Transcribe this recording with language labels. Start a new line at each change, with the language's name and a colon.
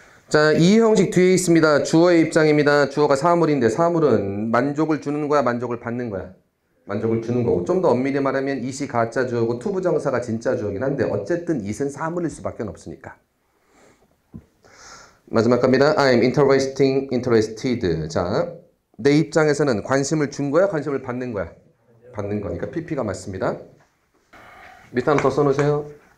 Korean: 자, 이형식 뒤에 있습니다. 주어의 입장입니다. 주어가 사물인데 사물은 만족을 주는 거야, 만족을 받는 거야? 만족을 주는 거고, 좀 더 엄밀히 말하면 이시 가짜 주어고 투부정사가 진짜 주어긴 한데 어쨌든 이는 사물일 수밖에 없으니까. 마지막 갑니다.
English: I'm interesting, interested.
Korean: 자, 내 입장에서는 관심을 준 거야, 관심을 받는 거야? 받는 거니까 PP가 맞습니다. 밑에 하나 더 써놓으세요.